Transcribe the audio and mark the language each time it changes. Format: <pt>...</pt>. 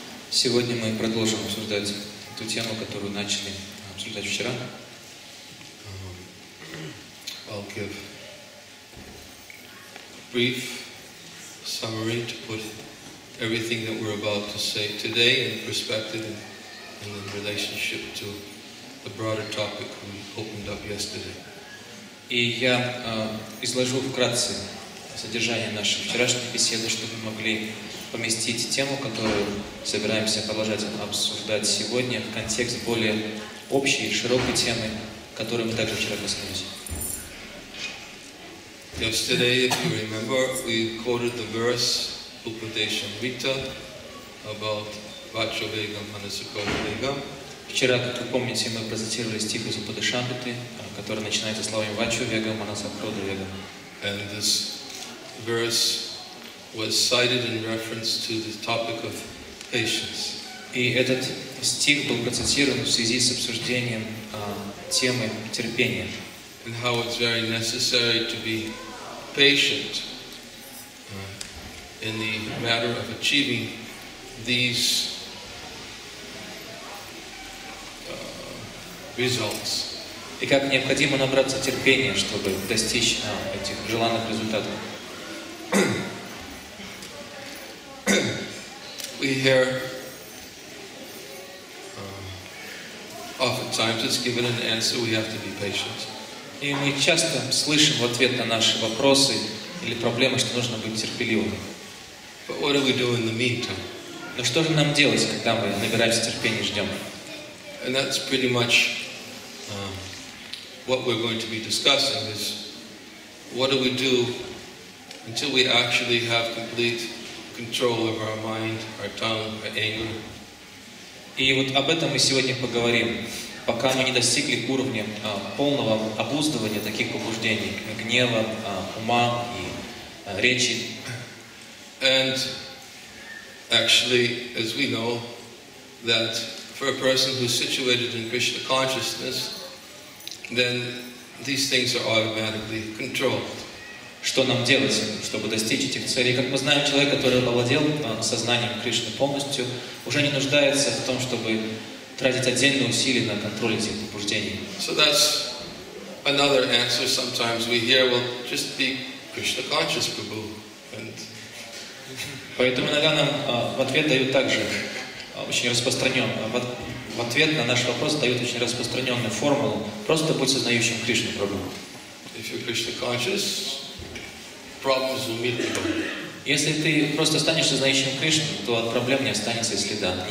<ru>Сегодня мы продолжим обсуждать ту тему, которую начали обсуждать вчера.</ru> <en>I'll give a brief summary to put everything that we're about to say today in perspective and in relationship to the broader topic we opened up yesterday.</en> <ru>И я изложу вкратце содержание нашей вчерашней беседы, чтобы вы могли поместить тему, которую собираемся продолжать обсуждать сегодня, в контекст более общей, широкой темы, которую мы также вчера коснулись.</ru> <en>Yesterday, if you remember, we quoted the verse Upadesham Rita about Vachavegam Manasikavegam.</en> <ru>Вчера, как вы помните, мы процитировали стих из Упадешамриты, который начинается словами Vachavegam Manasikavegam.</ru> <en>And this verse was cited in reference to the topic of patience.</en> <ru>И этот стих был процитирован в связи с обсуждением темы терпения.</ru> <en>And how it's very necessary to be patient in the matter of achieving these results.</en> <ru>И как необходимо набраться терпения, чтобы достичь этих желанных результатов.</ru> <en>We hear oftentimes it's given an answer, we have to be patient.</en> <ru>И мы часто слышим в ответ на наши вопросы или проблемы, что нужно быть терпеливым.</ru> <en>But what do we do in the meantime?</en> <ru>Но что же нам делать, когда мы набираемся терпения и ждем?</ru> <en>And that's pretty much what we're going to be discussing is what do we do until we actually have complete control of our mind, our tongue, our anger.</en> <ru>И вот об этом мы сегодня поговорим. пока они не достигли уровня полного обуздывания таких побуждений, гнева, ума и речи.</ru> <en>And actually, as we know, that for a person who's situated in Krishna consciousness, then these things are automatically controlled.</en> <ru>Что нам делать, чтобы достичь этих целей? Как мы знаем, человек, который овладел сознанием Кришны полностью, уже не нуждается в том, чтобы тратить отдельные усилия на контроль этих побуждений.</ru> <en>So that's another answer sometimes we hear, well, just be Krishna conscious, Prabhu. And...</en> <ru>Поэтому иногда нам в ответ дают также очень распространенную, в ответ на наш вопрос дают очень распространенную формулу, просто будь сознающим Кришну, Прабху.</ru> <en>If you're Krishna conscious, problems will meet you.</en> <ru>Если ты просто станешь сознающим Кришну, то от проблем не останется и следа.</ru>